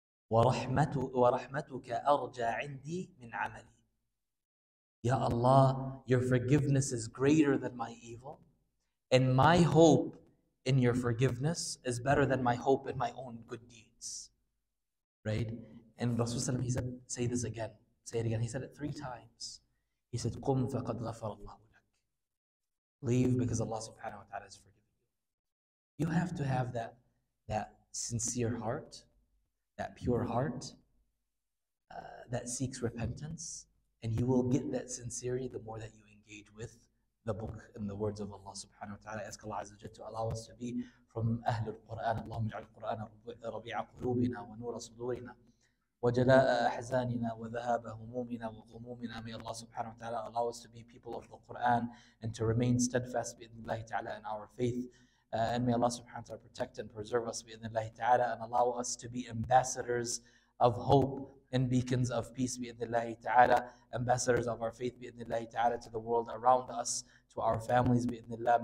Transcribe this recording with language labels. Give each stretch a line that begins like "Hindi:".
Arabic: ورحمتك أرجى عندي من عملي."
English: Ya Allah, your forgiveness is greater than my evil, and my hope in your forgiveness is better than my hope in my own good deeds. Right? And Rasulullah, he said, "Say this again. Say it again." He said it three times. He said,
Arabic: "قم فقد غفر الله لك."
English: Leave, because Allah Subhanahu wa Taala has forgiven you. You have to have that sincere heart. That pure heart that seeks repentance, and you will get that sincerity the more that you engage with the book and the words of Allah Subhanahu wa Taala. Ask Allah Azza wa Jalla to allow us to be from أهل القرآن.
Arabic: اللهم اجعل القرآن ربيع قلوبنا ونور صدورنا وجلاء أحزاننا وذهاب همومنا وغمومنا.
English: May Allah Subhanahu wa Taala allow us to be people of the Quran and to remain steadfast
Arabic: بإذن الله تعالى
English: in our faith. And may Allah subhanahu wa ta'ala protect and preserve us bi'idhnillahi ta'ala, and allow us to be ambassadors of hope and beacons of peace bi'idhnillahi ta'ala, ambassadors of our faith bi'idhnillahi ta'ala to the world around us, to our families bi'idhnillah.